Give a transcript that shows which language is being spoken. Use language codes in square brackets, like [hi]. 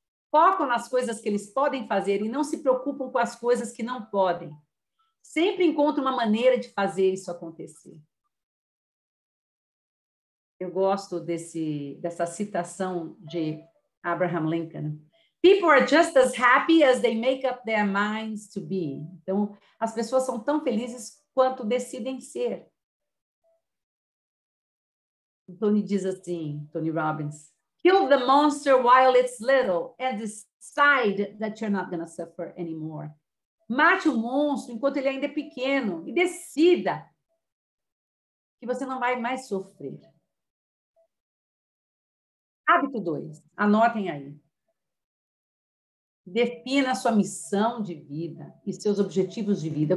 [pt] Focam nas coisas que eles podem fazer e não se preocupam com as coisas que não podem. Sempre encontram uma maneira de fazer isso acontecer. Eu gosto dessa citação de Abraham Lincoln. [en] People are just as happy as they make up their minds to be. [pt] Então, as pessoas são tão felizes quanto decidem ser. Tony diz assim, [en] Tony Robbins, kill the monster while it's little and decide that you're not going to suffer anymore. [pt] Mate o monstro enquanto ele ainda é pequeno e decida que você não vai mais sofrer. Hábito 2, anotem aí. Defina sua missão de vida e seus objetivos de vida.